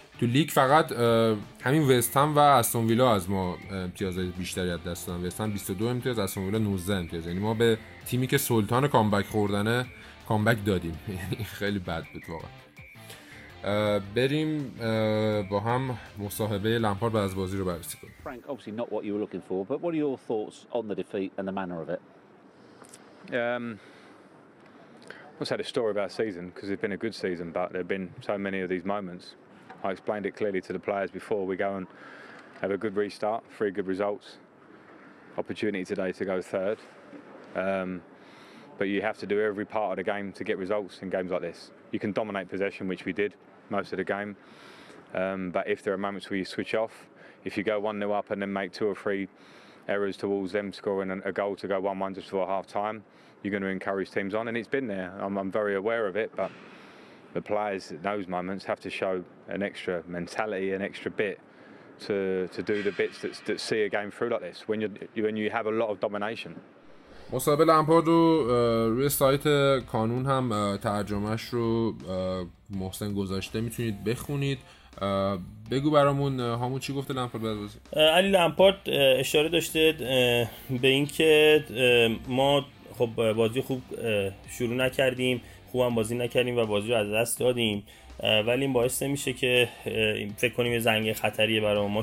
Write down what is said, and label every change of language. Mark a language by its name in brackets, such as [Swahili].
[Persian] تو لیگ فقط همین وستهم و استون ویلا از ما امتیاز بیشتری از دست دادن. وستهم 22 امتیاز، استون ویلا 19 امتیاز. یعنی ما به تیمی که سلطان کامبک خوردنه کامبک دادیم. خیلی بد بود واقعا. بریم با هم مصاحبه لمپارد بعد از بازی رو بررسی کنیم. [English] Frank, obviously not what you were looking for, but what are your thoughts on the defeat and the manner of it? I've had a story about season because it's been a good season, but there've been so many of these moments. I explained it clearly to the players before. We go and have a good restart, three good results, opportunity today to go third. But you have to do every part of the game to get results in games like this. You can dominate possession, which we did most of the game. But if there are moments where you switch off, if you go 1-0 up and then make two or three errors towards them scoring a goal to go 1-1 just before half time, you're going to encourage teams on. And it's been there. I'm very aware of it, but the players at those moments have to show an extra mentality, an extra bit to do the bits that see a game through like this when you have a lot of domination. [Persian] مصاحبه لمپارد رو روی سایت کانون هم ترجمهش رو محسن گذاشته، میتونید بخونید. بگو برامون هامون چی گفته لمپارد بعد بازی. علی لمپارد اشاره داشته به اینکه ما خب بازی خوب شروع نکردیم، خوبم بازی نکردیم و بازی رو از دست دادیم، ولی این باعث نمیشه که فکر کنیم یه زنگ خطریه برای ما.